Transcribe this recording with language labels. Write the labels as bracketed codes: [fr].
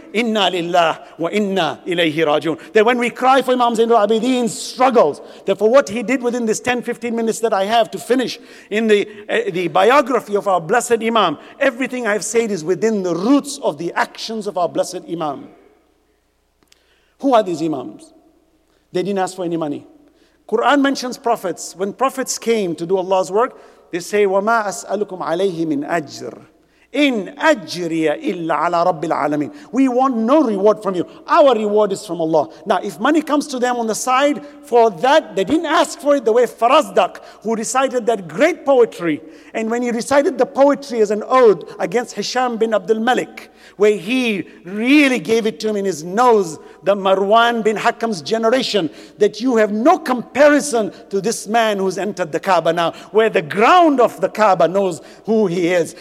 [ar] Inna lillah wa inna ilayhi rajun. [en] That when we cry for Imam Zainul Abidin's struggles, that for what he did within this 10-15 minutes that I have to finish in the biography of our blessed Imam, everything I've said is within the roots of the actions of our blessed Imam. Who are these Imams? They didn't ask for any money. Quran mentions prophets. When prophets came to do Allah's work, they say, [ar] وَمَا أَسْأَلُكُمْ عَلَيْهِ مِنْ أَجْرٍ إِنْ أَجْرِيَ إِلَّا عَلَى رَبِّ الْعَالَمِينَ. [en] We want no reward from you. Our reward is from Allah. Now, if money comes to them on the side for that, they didn't ask for it the way Farazdak, who recited that great poetry. And when he recited the poetry as an ode against Hisham bin Abdul Malik, where he really gave it to him in his nose, the Marwan bin Hakam's generation, that you have no comparison to this man who's entered the Kaaba now, where the ground of the Kaaba knows who he is.